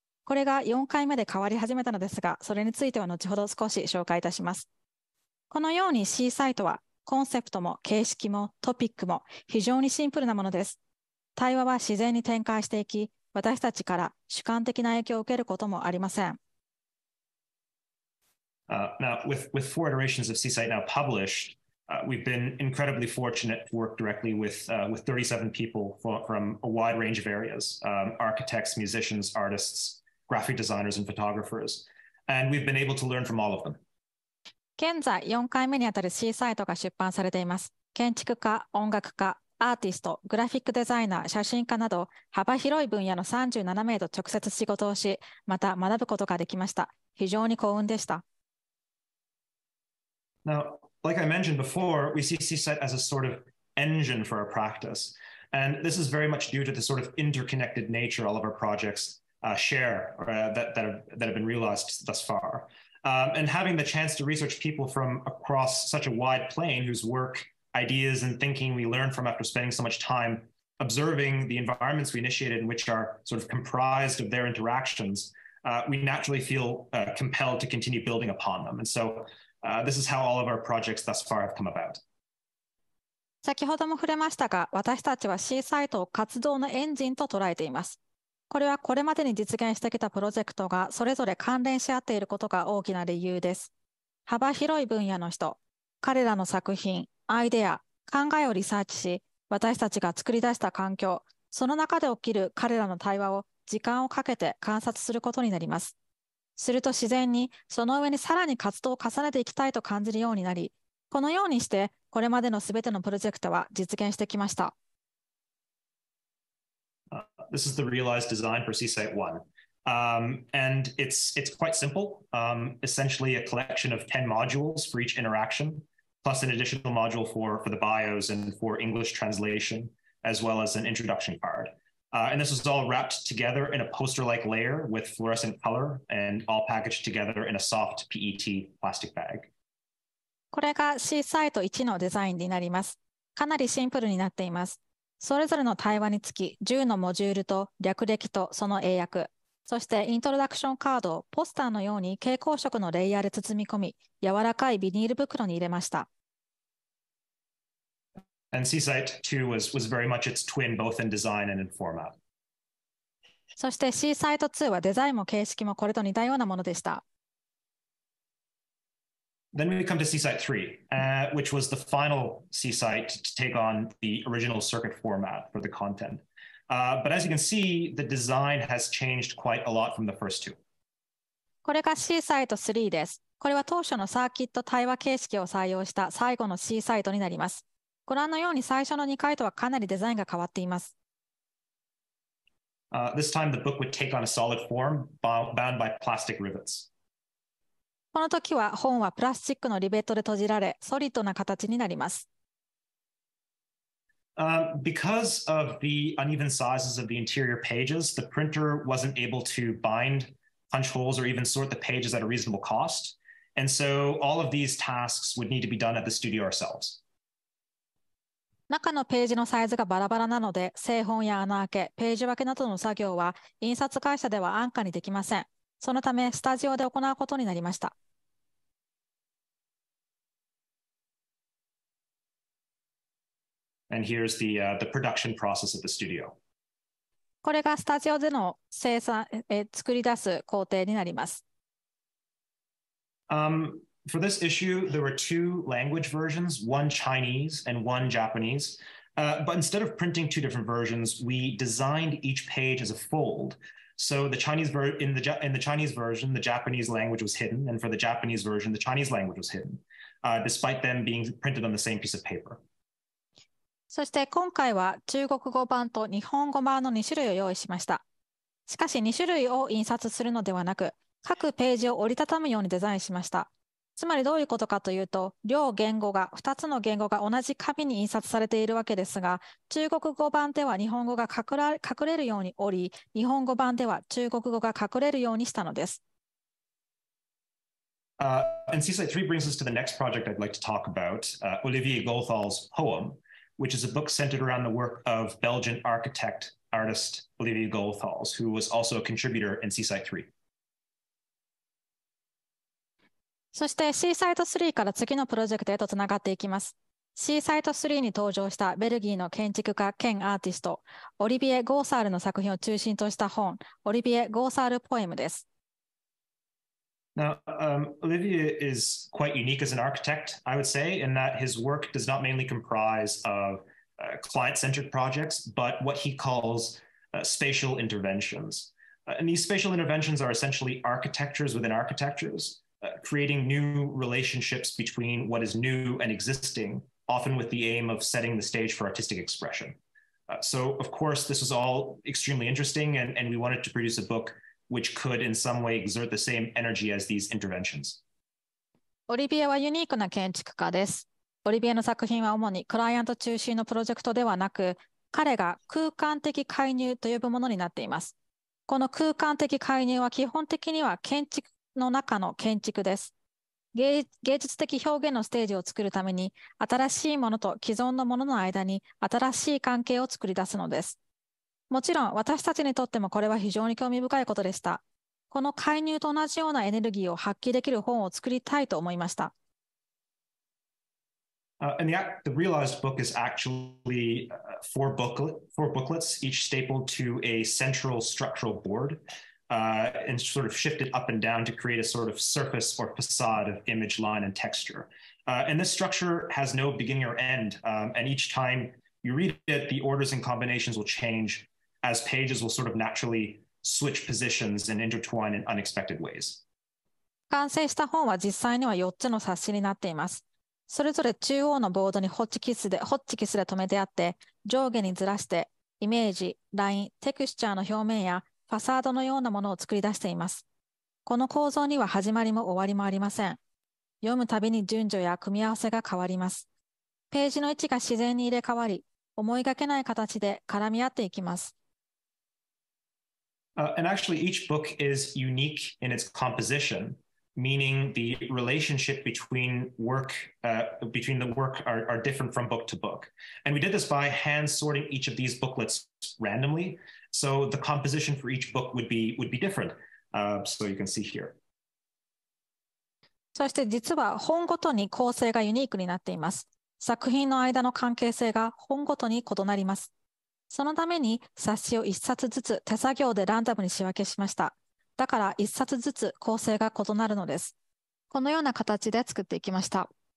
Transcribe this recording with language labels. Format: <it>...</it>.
<ja>これが4回目で変わり始めたのですが、それについては後ほど少し紹介いたします。このように C サイトは、コンセプトも形式もトピックも非常にシンプルなものです。対話は自然に展開していき、私たちから主観的な影響を受けることもありません。</ja> <en>Now, with four iterations of C-Site now published, we've been incredibly fortunate to work directly with 37 people from a wide range of areas, architects, musicians, artists, graphic designers, and photographers. And we've been able to learn from all of them.</en> <ja>現在4回目にあたる C-Site が出版されています。建築家、音楽家、アーティスト、グラフィックデザイナー、写真家など幅広い分野の37名と直接仕事をし、また学ぶことができました。非常に幸運でした。</ja> <en>Now, like I mentioned before, we see C-Site as a sort of engine for our practice. And this is very much due to the sort of interconnected nature all of our projects share that have been realized thus far. And having the chance to research people from across such a wide plane whose work, ideas, and thinking we learn from after spending so much time observing the environments we initiated and which are sort of comprised of their interactions, we naturally feel compelled to continue building upon them. And so, this is how all of our projects thus far have come about.</en> <ja>先ほども触れましたが、私たちは C サイトを活動のエンジンと捉えています。これはこれまでに実現してきたプロジェクトがそれぞれ関連し合っていることが大きな理由です。幅広い分野の人、彼らの作品、アイデア、考えをリサーチし、私たちが作り出した環境、その中で起きる彼らの対話を時間をかけて観察することになります。すると自然にその上にさらに活動を重ねていきたいと感じるようになり、このようにしてこれまでのすべてのプロジェクトは実現してきました。</ja> <en>This is the realized design for C-Site 1. And it's quite simple. Essentially a collection of 10 modules for each interaction, plus an additional module for the bios and for English translation, as well as an introduction card. And this was all wrapped together in a poster-like layer with fluorescent color and all packaged together in a soft PET plastic bag.</en> <ja>これが C サイト1のデザインになります。かなりシンプルになっています。それぞれの対話につき10のモジュールと略歴とその英訳、そしてイントロダクションカードをポスターのように蛍光色のレイヤーで包み込み、柔らかいビニール袋に入れました。</ja> <en>And C-Site 2 was very much its twin, both in design and in format.</en> <ja>そして C-Site 2はデザインも形式もこれと似たようなものでした。</ja> <en>Then we come to C-Site 3, which was the final C-Site to take on the original circuit format for the content. But as you can see, the design has changed quite a lot from the first two.</en> <ja>これが C-Site 3です。これは当初のサーキット対話形式を採用した最後の C-Site になります。ご覧のように最初の2回とはかなりデザインが変わっています。</ja> <en>This time the book would take on a solid form, bound by plastic rivets.</en> <ja>この時は本はプラスチックのリベットで閉じられ、ソリッドな形になります。</ja> <en>Because of the uneven sizes of the interior pages, the printer wasn't able to bind, punch holes, or even sort the pages at a reasonable cost. And so all of these tasks would need to be done at the studio ourselves.</en> <ja>中のページのサイズがバラバラなので、製本や穴開け、ページ分けなどの作業は、印刷会社では安価にできません。そのため、スタジオで行うことになりました。</ja> <en>And here's the production process of the studio.</en> <ja>これがスタジオでの生産、作り出す工程になります。</ja> <en>For this issue, there were two language versions, one Chinese and one Japanese. But instead of printing two different versions, we designed each page as a fold. So the Chinese in the Chinese version, the Japanese language was hidden. And for the Japanese version, the Chinese language was hidden, despite them being printed on the same piece of paper.</en> <ja>そして今回は中国語版と日本語版の2種類を用意しました。しかし2種類を印刷するのではなく、各ページを折りたたむようにデザインしました。つまりどういうことかというと、両言語が、2つの言語が同じ紙に印刷されているわけですが、中国語版では日本語が隠れるように折り、日本語版では中国語が隠れるようにしたのです。</ja> <en>And C-Site 3 brings us to the next project I'd like to talk about, Olivier Goethals' Poem, which is a book centered around the work of Belgian architect artist Olivia Goldthals, who was also a contributor in Seaside 3.</en> <ja>そしてシーサイト3から次のプロジェクトへとつながっていきます。シーサイト3に登場したベルギーの建築家兼アーティスト、オリビエ・ゴーサールの作品を中心とした本、オリビエ・ゴーサールポエムです。</ja> <en>Now, Olivier is quite unique as an architect, I would say, in that his work does not mainly comprise of client-centered projects, but what he calls spatial interventions. And these spatial interventions are essentially architectures within architectures, creating new relationships between what is new and existing, often with the aim of setting the stage for artistic expression. So, of course, this was all extremely interesting, and we wanted to produce a book which could in some way exert the same energy as these interventions.</en> <ja>オリビエはユニークな建築家です。オリビエの作品は主にクライアント中心のプロジェクトではなく、彼が空間的介入と呼ぶものになっています。この空間的介入は基本的には建築の中の建築です。芸術的表現のステージを作るために、新しいものと既存のものの間に新しい関係を作り出すのです。もちろん私たちにとってもこれは非常に興味深いことでした。この介入と同じようなエネルギーを発揮できる本を作りたいと思いました。</ja> <en>And the realized book is actually four booklets, each stapled to a central structural board, and sort of shifted up and down to create a sort of surface or facade of image, line, and texture. And this structure has no beginning or end, and each time you read it, the orders and combinations will change. As pages will sort of naturally switch positions and intertwine in unexpected ways.</en> <ja>完成した本は実際には4つの冊子になっています。それぞれ中央のボードにホッチキスで留めてあって、上下にずらして、イメージ、ライン、テクスチャーの表面やファサードのようなものを作り出しています。この構造には始まりも終わりもありません。読むたびに順序や組み合わせが変わります。ページの位置が自然に入れ替わり、思いがけない形で絡み合っていきます。</ja> <en>And actually, each book is unique in its composition, meaning the relationship between the work are different from book to book. And we did this by hand sorting each of these booklets randomly. So the composition for each book would be different. So you can see here.</en> <ja>そして実は本ごとに構成がユニークになっています。作品の間の関係性が本ごとに異なります。そのために冊子を一冊ずつ手作業でランダムに仕分けしました。だから一冊ずつ構成が異なるのです。このような形で作っていきました。</ja>